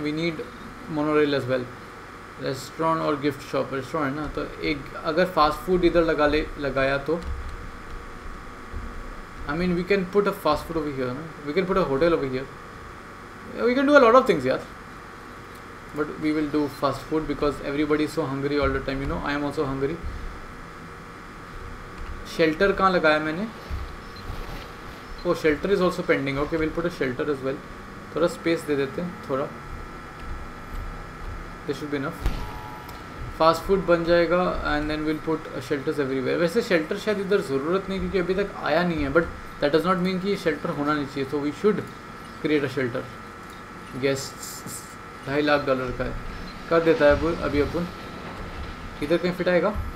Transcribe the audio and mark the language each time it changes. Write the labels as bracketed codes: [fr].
[en] We need monorail as well. Restaurant और gift shop, restaurant ना, [hi] तो एक अगर फास्ट फूड इधर लगाया तो [en] I mean we can put a fast food over here ना, we can put a hotel over here, we can do a lot of things यार। But we will do fast food because everybody is so hungry all the time, you know, I am also hungry. [hi] Shelter कहाँ लगाया मैंने? [en] Oh, shelter is also pending. Okay, we'll put a shelter as well. [hi] थोड़ा space दे देते हैं थोड़ा, [en] this should be enough. Fast food [hi] बन जाएगा [en] and then we'll put shelters everywhere. [hi] वैसे shelter शायद इधर ज़रूरत नहीं क्योंकि अभी तक आया नहीं है, [en] but that does not mean [hi] कि shelter होना नहीं चाहिए, [en] so we should create a shelter. [hi] Guests. $2,50,000 का है, कर देता है अभी अपन। इधर कहीं फिट आएगा?